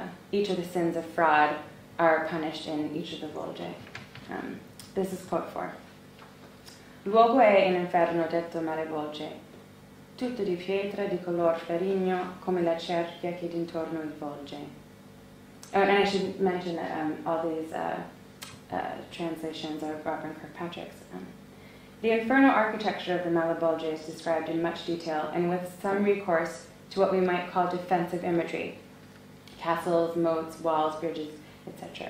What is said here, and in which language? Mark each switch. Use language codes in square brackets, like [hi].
[en] Each of the sins of fraud are punished in each of the volge. This is quote 4. [it] Luogo è in inferno detto malevolge, tutto di pietra di color ferigno come la cerchia che d'intorno involge. [en] Oh, and I should mention that all these translations are Robert Kirkpatrick's. The infernal architecture of the malevolge is described in much detail and with some recourse to what we might call defensive imagery, castles, moats, walls, bridges, etc.